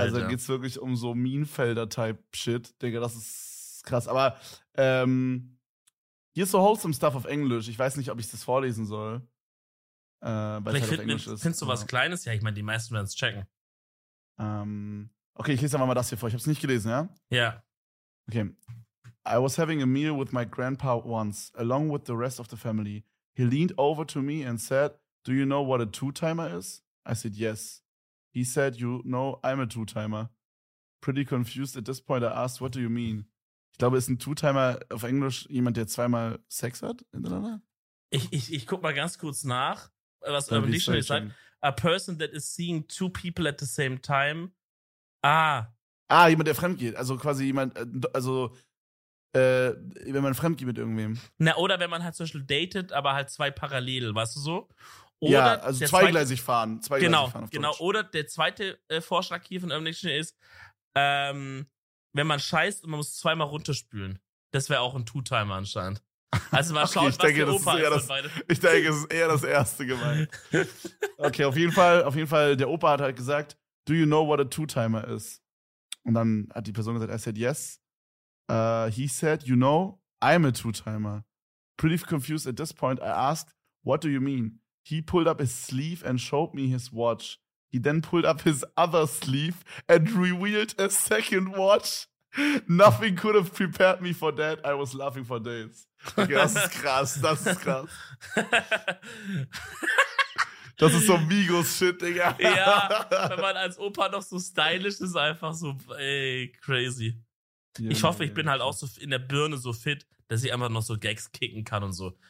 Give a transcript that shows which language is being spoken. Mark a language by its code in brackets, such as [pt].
[de] also geht's wirklich um so Minenfelder-Type-Shit. Digga, das ist krass. Aber hier ist so wholesome Stuff auf Englisch. Ich weiß nicht, ob ich das vorlesen soll. Findest du was Kleines? Ja, ich meine, die meisten werden es checken. Okay, ich lese einfach mal das hier vor. Ich hab's nicht gelesen, ja? Ja. [en] Okay, I was having a meal with my grandpa once, along with the rest of the family. He leaned over to me and said, do you know what a two-timer is? I said, yes. He said, you know, I'm a two-timer. Pretty confused at this point, I asked, what do you mean? [de] Ich glaube, ist ein Two-Timer auf Englisch jemand, der zweimal Sex hat? Ich guck mal ganz kurz nach, was Urban Dictionary sagt. [en] A person that is seeing two people at the same time. [de] Jemand, der fremdgeht. Also quasi jemand, also wenn man fremdgeht mit irgendwem. Na, oder wenn man halt zum Beispiel datet, aber halt zwei parallel, weißt du so? Oder ja, also zweigleisig fahren auf Deutsch. Oder der zweite Vorschlag hier von Urban Dictionary ist, wenn man scheißt und man muss zweimal runterspülen. Das wäre auch ein Two-Timer anscheinend. Also man schaut, was der Opa ist. Ich denke, es ist eher das erste gemeint. Okay, auf jeden Fall, der Opa hat halt gesagt, do you know what a Two-Timer is? Und dann hat die Person gesagt, I said yes. [en] He said, you know, I'm a two-timer. Pretty confused at this point, I asked, what do you mean? He pulled up his sleeve and showed me his watch. He then pulled up his other sleeve and revealed a second watch. Nothing could have prepared me for that. I was laughing for days. [de] Okay, das ist krass, das ist krass. Das ist so Migos-Shit, Digga. Ja, wenn man als Opa noch so stylisch ist, einfach so, ey, crazy. Ich hoffe, ich bin halt auch so in der Birne so fit, dass ich einfach noch so Gags kicken kann und so.